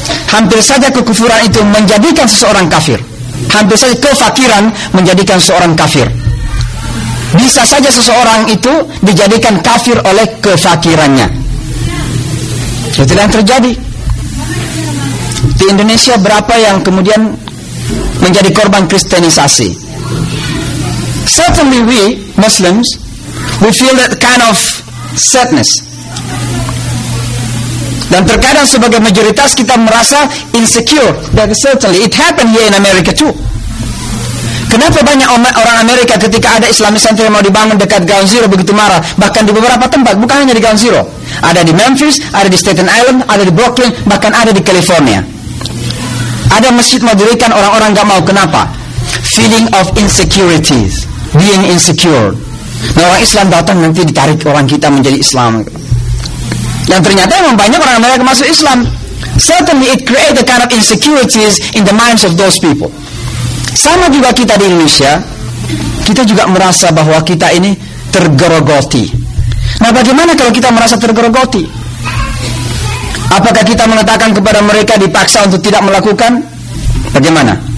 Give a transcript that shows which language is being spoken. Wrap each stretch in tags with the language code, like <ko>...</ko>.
<id>Hampir saja kekufuran itu menjadikan seseorang kafir. Hampir saja kefakiran menjadikan seorang kafir. Bisa saja seseorang itu dijadikan kafir oleh kefakirannya. Itu yang terjadi. Di Indonesia berapa yang kemudian menjadi korban kristenisasi?</id> <en>Certainly we Muslims, we feel that kind of sadness.</en> <id>Dan terkadang sebagai majoritas kita merasa insecure.</id> <en>But certainly it happened here in America too.</en> <id>Kenapa banyak orang Amerika ketika ada Islamic Center yang mau dibangun dekat Ground Zero begitu marah? Bahkan di beberapa tempat, bukan hanya di Ground Zero. Ada di Memphis, ada di Staten Island, ada di Brooklyn, bahkan ada di California. Ada masjid mau dirikan, orang-orang gak mau. Kenapa?</id> <en>Feeling of insecurities. Being insecure.</en> <id>Nah, orang Islam datang nanti ditarik orang kita menjadi Islam. Dan ternyata memang banyak orang Amerika masuk Islam.</id> <en>Certainly it create a kind of insecurities in the minds of those people.</en> <id>Sama juga kita di Indonesia, kita juga merasa bahwa kita ini tergerogoti. Nah, bagaimana kalau kita merasa tergerogoti? Apakah kita mengatakan kepada mereka dipaksa untuk tidak melakukan? Bagaimana?</id>